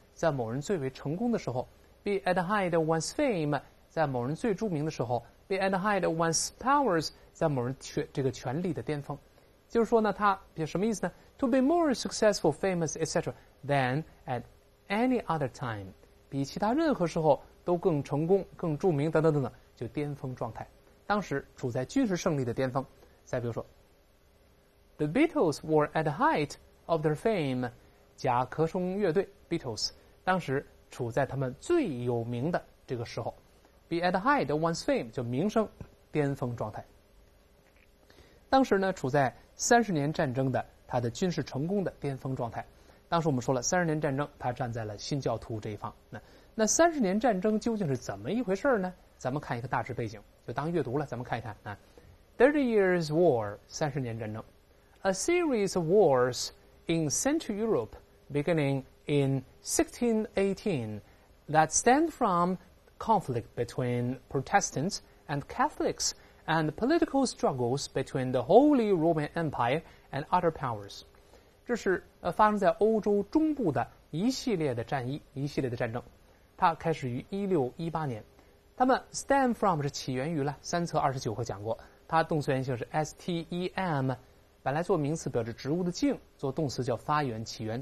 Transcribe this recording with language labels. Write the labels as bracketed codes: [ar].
[zh] 在某人最为成功的时候 ， [en] be at the height of one's fame， [zh] 在某人最著名的时候 ， [en] be at the height of one's powers， [zh] 在某人权力的巅峰，就是说呢，他什么意思呢 ？ [en] To be more successful, famous, etc. than at any other time， [zh] 比其他任何时候都更成功、更著名等等等等，就巅峰状态。当时处在军事胜利的巅峰。再比如说 [en] ，The Beatles were at the height of their fame。 [zh] 甲壳虫乐队 Beatles 当时处在他们最有名的这个时候， [en] be at the height of one's fame [zh] 就名声巅峰状态，当时呢处在30年战争的他的军事成功的巅峰状态。当时我们说了30年战争他站在了新教徒这一方，那30年战争究竟是怎么一回事呢？咱们看一个大致背景，就当阅读了。咱们看一看啊， [en] Thirty Years' War [zh] 30年战争， [en] A series of warsIn Central Europe, beginning in 1618, that stemmed from conflict between Protestants and Catholics and political struggles between the Holy Roman Empire and other powers. [zh] 这是发生在欧洲中部的一系列的战役，一系列的战争。它开始于1618年。它们 stem from 是起源于了三册二十九课讲过，它动词原形是 stem， 本来做名词表示植物的茎，做动词叫发源起源。